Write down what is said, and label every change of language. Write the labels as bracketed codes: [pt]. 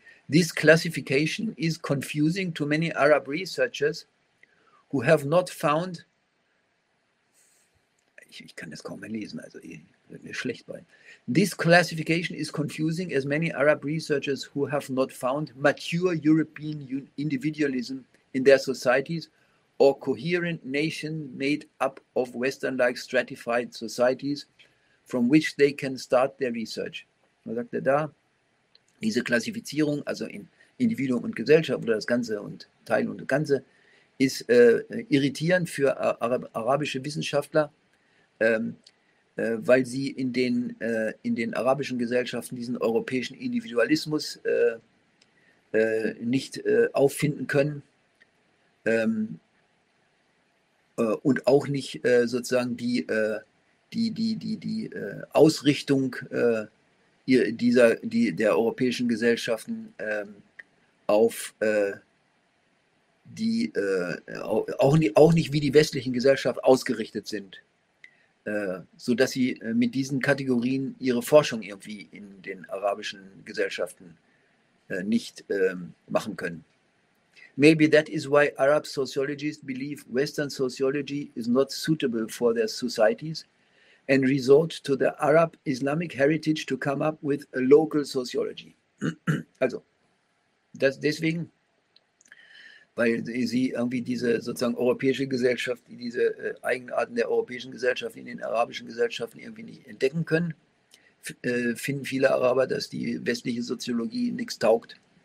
[en] This classification is confusing to many Arab researchers who have not found. [de] Ich kann das kaum mehr lesen, also wird mir schlecht bei. [en] This classification is confusing as many Arab researchers who have not found mature European individualism in their societies or coherent nation made up of Western-like stratified societies from which they can start their research. [de] Was sagt er da? Diese Klassifizierung, also in Individuum und Gesellschaft oder das Ganze und Teil und Ganze, ist irritierend für arabische Wissenschaftler, weil sie in den arabischen Gesellschaften diesen europäischen Individualismus nicht auffinden können und auch nicht sozusagen die Ausrichtung der europäischen Gesellschaften auch nicht wie die westlichen Gesellschaften ausgerichtet sind. So dass sie mit diesen Kategorien ihre Forschung irgendwie in den arabischen Gesellschaften nicht machen können. [en] Maybe that is why Arab sociologists believe Western sociology is not suitable for their societies and resort to the Arab Islamic heritage to come up with a local sociology. [de] Also, das deswegen, weil sie irgendwie diese sozusagen europäische Gesellschaft, diese Eigenarten der europäischen Gesellschaft in den arabischen Gesellschaften irgendwie nicht entdecken können, finden viele Araber, dass die westliche Soziologie nichts taugt.